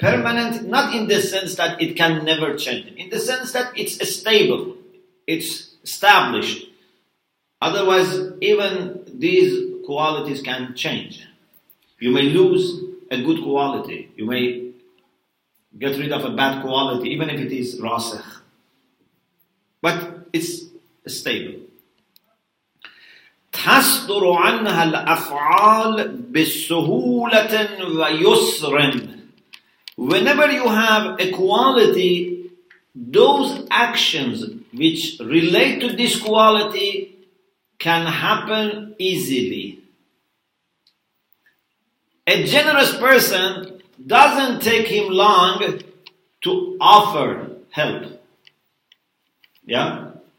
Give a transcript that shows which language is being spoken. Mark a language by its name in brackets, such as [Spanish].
[English] Permanent not in the sense that it can never change, in the sense that it's stable, it's established. Otherwise, even these qualities can change. You may lose a good quality, you may get rid of a bad quality, even if it is rasikh. But it's stable. [Arabic] تصدر عنها الأفعال بسهولة ويسر. [English] Whenever you have equality, those actions which relate to this quality can happen easily. A generous person doesn't take him long to offer help. Yeah?